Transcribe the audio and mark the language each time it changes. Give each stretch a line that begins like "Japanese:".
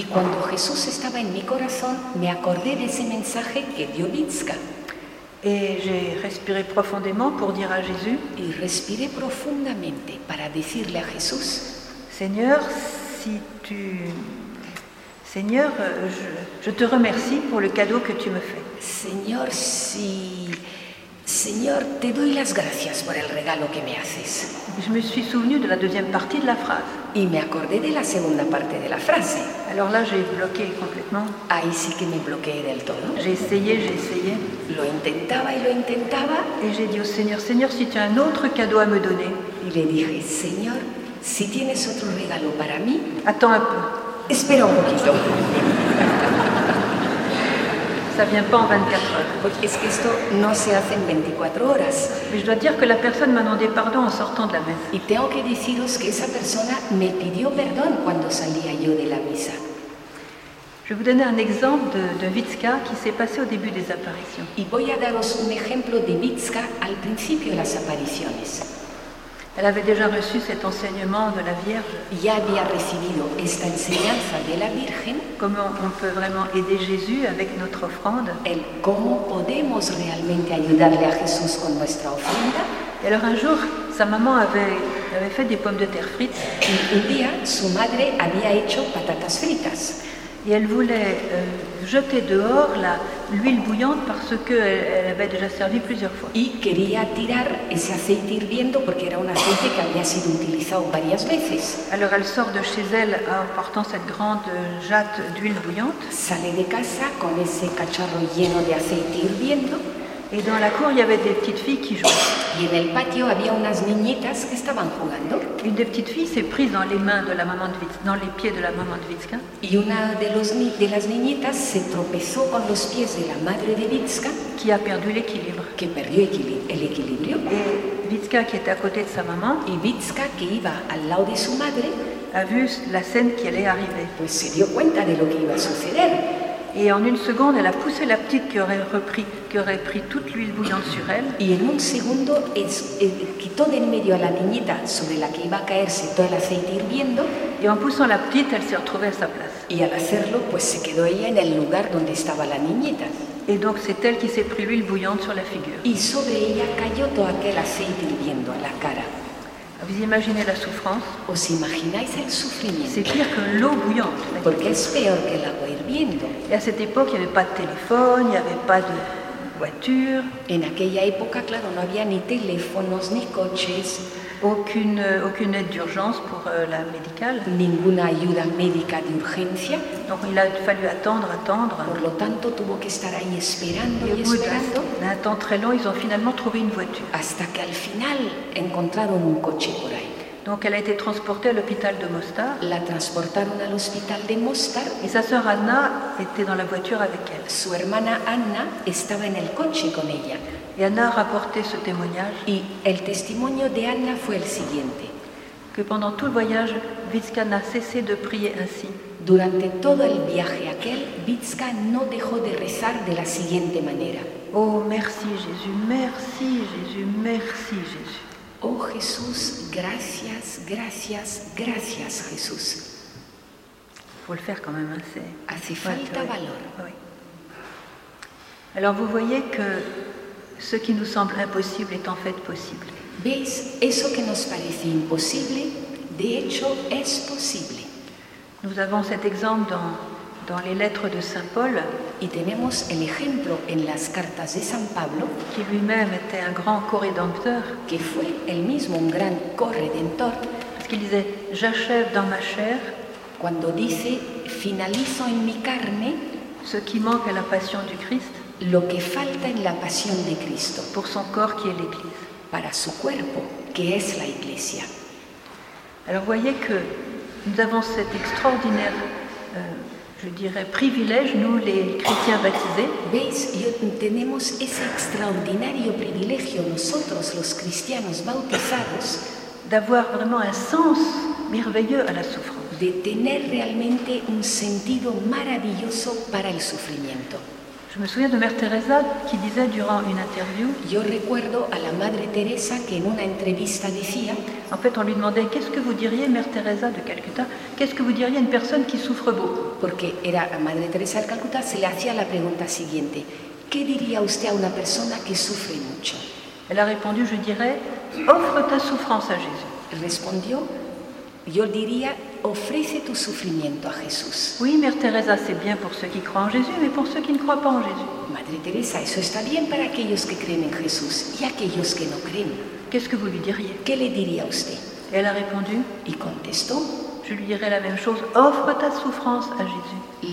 Spanish: Y cuando Jesús estaba en mi corazón, me acordé de ese mensaje que dio Witzka.
French: Et j'ai respiré profondément pour dire à Jésus.
Spanish: Y respiré profundamente para decirle a Jesús.
French: Seigneur, si tu... Seigneur, je te remercie pour le cadeau que tu me fais.
Spanish: Señor, si... Señor, te doy las gracias por el regalo que me haces.
French: Je me suis souvenu de la deuxième partie de la phrase.
Spanish: Y me acordé de la segunda parte de la frase.
French: Alors là, j'ai bloqué complètement.
Spanish: Ahí sí que me bloqueé del todo.
French: J'ai essayé.
Spanish: Lo intentaba y lo intentaba.
French: Et j'ai dit au Seigneur, Seigneur, si tu as un autre cadeau à me donner.
Spanish: Y le dije, Señor, si tienes otro regalo para mí.
French: Attends un peu.
Spanish: Espera un poquito.
French: Ça vient pas en 24 heures.
Spanish: Es que esto no se hace en 24 horas.
French: Mais je dois dire que la personne m'a demandé pardon en sortant de la messe.
Spanish: Y tengo que deciros que esa persona me pidió perdón cuando salía yo de la misa.
French: Je vais vous donner un exemple de Witzka qui s'est passé au début des apparitions.
Spanish: Y voy a daros un ejemplo de Witzka al principio de las apariciones.
French: Elle avait déjà reçu cet enseignement de la Vierge.
Spanish: Ya había recibido esta enseñanza de la Virgen.
French: Comment on peut vraiment aider Jésus avec notre offrande?
Spanish: El cómo podemos realmente ayudarle a Jesús con nuestra ofrenda.
French: Et alors un jour, sa maman avait fait des pommes de terre frites.
Spanish: Un día su madre había hecho patatas fritas.
French: Et elle voulait jeter dehors l'huile bouillante parce qu'elle avait déjà servi plusieurs fois.
Spanish: Y quería tirar ese aceite hirviendo porque era un aceite que había sido utilizado varias veces.
French: Alors elle sort de chez elle en portant cette grande jatte d'huile bouillante.
Spanish: Sale de casa con ese cacharro lleno de aceite hirviendo.
French: Et dans la cour, il y avait des petites filles qui jouaient.
Spanish: Y en el patio había unas niñitas que estaban jugando.
French: Une des petites filles s'est prise dans les mains de la maman de Witzka, dans les pieds de la maman de Witzka.
Spanish: Y una de las niñitas se tropezó con los pies de la madre de Witzka,
French: qui a perdu l'équilibre.
Spanish: Que perdió el equilibrio.
French: Et Witzka qui était à côté de sa maman,
Spanish: y Witzka que iba al lado de su madre,
French: a vu la scène qui allait arriver.
Spanish: Pues se dio cuenta de lo que iba a suceder.
French: Et en une seconde, elle a poussé la petite qui aurait pris toute l'huile bouillante sur elle.
Spanish: Y en un segundo, quitó de en medio a la niñita sobre la que iba a caerse todo el aceite hirviendo.
French: Et en poussant la petite, elle s'est retrouvée à sa place.
Spanish: Y al hacerlo, pues se quedó ella en el lugar donde estaba la niñita.
French: Et donc c'est elle qui s'est pris l'huile bouillante sur la figure.
Spanish: Y sobre ella cayó todo aquel aceite hirviendo a la cara.
French: Vous imaginez la souffrance?
Spanish: ¿Os imagináis el sufrimiento?
French: C'est pire que l'eau bouillante.
Spanish: Porque es peor que el agua hirviendo.
French: Et à cette époque, il n'y avait pas de téléphone, il n'y avait pas de voiture.
Spanish: En aquella época, claro, no había ni teléfonos ni coches.
French: Aucune aide d'urgence pour la médicale.
Spanish: Ninguna ayuda médica de urgencia.
French: Donc il a fallu attendre.
Spanish: Por lo tanto, tuvo que estar ahí esperando y esperando.
French: Un temps très long, ils ont finalement trouvé une voiture.
Spanish: Hasta que al final encontraron un coche por ahí.
French: Donc elle a été transportée à l'hôpital de Mostar.
Spanish: La transportaron al hospital de Mostar.
French: Et sa sœur Anna était dans la voiture avec elle.
Spanish: Su hermana Anna estaba en el coche con ella.
French: Et Anna a rapporté ce témoignage.
Spanish: Y el testimonio de Anna fue el siguiente.
French: Que pendant tout le voyage, Witzka n'a cessé de prier ainsi.
Spanish: Durante todo el viaje aquel, Witzka no dejó de rezar de la siguiente manera.
French: Oh, merci Jésus, merci Jésus, merci Jésus.
Spanish: Oh Jésus, gracias, gracias, gracias Jésus.
French: Il faut le faire quand même, hein, c'est...
Spanish: Hace falta valor.
French: Oui. Alors vous voyez que ce qui nous semble impossible est en fait possible.
Spanish: ¿Veis? Eso que nos parece imposible, de hecho, es posible.
French: Nous avons cet exemple dans les lettres de Saint Paul.
Spanish: Y tenemos el ejemplo en las cartas de San Pablo,
French: qui lui-même était un grand co-rédempteur,
Spanish: que fue el mismo un gran co-redentor,
French: parce qu'il disait, j'achève dans ma chair,
Spanish: cuando dice, finalizo en mi carne,
French: ce qui manque à la passion du Christ,
Spanish: lo que falta en la pasión de Cristo,
French: pour son corps qui est l'Église,
Spanish: para su cuerpo, que es la Iglesia.
French: Alors voyez que nous avons cet extraordinaire, je dirais, privilège, nous les chrétiens baptisés.
Spanish: ¿Veis? Tenemos ese extraordinario privilegio nosotros los cristianos bautizados,
French: d'avoir vraiment un sens merveilleux à la souffrance,
Spanish: de tener realmente un sentido maravilloso para el sufrimiento.
French: Je me souviens de Mère Teresa qui disait durant une interview.
Spanish: Yo recuerdo a la Madre Teresa que en una entrevista decía.
French: En fait, on lui demandait qu'est-ce que vous diriez, Mère Teresa de Calcutta, qu'est-ce que vous diriez à une personne qui souffre beaucoup.
Spanish: Porque era la Madre Teresa de Calcutta, se le hacía la pregunta siguiente: ¿Qué diría usted a una persona que sufre mucho?
French: Elle a répondu: Je dirais, offre ta souffrance à Jésus.
Spanish: Respondió: Yo diría. Ofrece tu sufrimiento a Jesús.
French: Oui, Mère Teresa, c'est bien pour ceux qui croient en Jésus, mais pour ceux qui ne croient pas en Jésus.
Spanish: Madre Teresa, eso está bien para aquellos que creen en Jesús y aquellos que no creen.
French: Qu'est-ce que vous lui diriez?
Spanish: ¿Qué le diría usted?
French: Elle a répondu.
Spanish: Y contestó.
French: Je lui dirais la même chose. Offre ta souffrance à Jésus.